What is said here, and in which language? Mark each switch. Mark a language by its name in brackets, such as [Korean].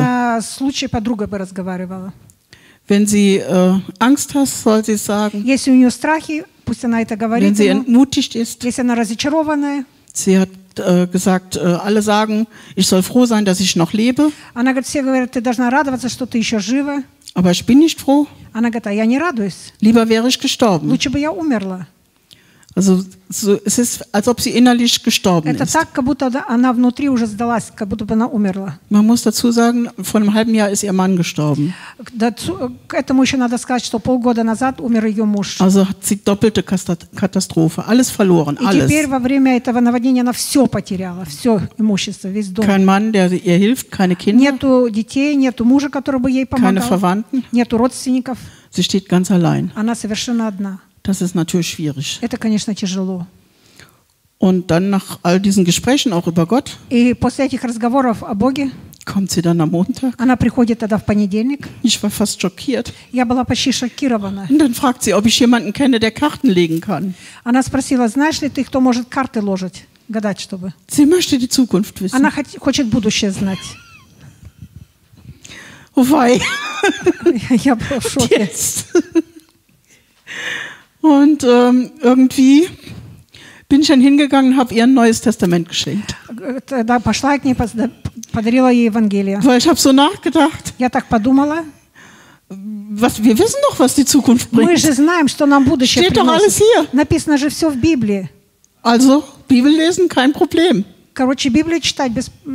[Russian] Она с лучшей подругой бы разговаривала. [German] Wenn sie Angst hat, soll sie sagen. [Russian] Если у нее страхи, пусть она это говорит. [German] Wenn sie entmutigt ist. [Russian] Если она разочарованная. [German] Sie hat gesagt, alle sagen, ich soll froh sein, dass ich noch lebe. [Russian] Она говорит, все говорят, ты должна радоваться, что ты еще жива. [German] Aber ich bin nicht froh. [Russian] Она говорит, я не радуюсь. [German] Lieber wäre ich gestorben. [Russian] Лучше бы я умерла. [German] Also so, es ist, als ob sie innerlich gestorben [Russian] это [German] ist. [Russian] Так, как будто она внутри уже сдалась, как будто бы она умерла. [German] Man muss dazu sagen, vor einem halben Jahr ist ihr Mann gestorben. [Russian] Dazu, к этому еще надо сказать, что полгода назад умер ее муж. [German] Also hat sie doppelte Katastrophe, alles verloren, [Russian] и [German] alles. [Russian] И теперь во время этого наводнения она все потеряла, все имущество, весь дом. [German] Kein Mann, der ihr hilft, keine Kinder. [Russian] Нету детей, нету мужа, который бы ей помогал. [German] Keine Verwandten. [Russian] Нету родственников. [German] Sie steht ganz allein. [Russian] Она совершенно одна. [German] Das ist natürlich schwierig. [Russian] Это, конечно, тяжело. [German] Und dann nach all diesen Gesprächen auch über Gott. [Russian] И после этих разговоров о Боге. [German] Kommt sie dann am Montag? [Russian] Она приходит тогда в понедельник. [German] Ich war fast schockiert. [Russian] Я была почти шокирована. [German] Und dann fragt sie, ob ich jemanden kenne, der Karten legen kann. [Russian] Она спросила, знаешь ли ты, кто может карты ложить, гадать, чтобы. [German] Sie möchte die Zukunft wissen. [Russian] Она хочет будущее знать. Уфай. Я была в шоке. [German] Jetzt. Und irgendwie bin ich dann hingegangen, habe ihr ein neues Testament geschenkt. [Russian] Da пошла я к ней, подарила ей Евангелие. [German] Weil ich habe so nachgedacht. [Russian] Я так подумала. [German] Was, wir wissen doch, was die Zukunft bringt. [Russian] Мы же знаем, что нам будущее [German] steht [Russian] приносит. [German] Doch alles hier. [Russian] Написано же все в Библии. [German] Also, Bibel lesen, kein Problem. [Russian] Короче, Библию читать без...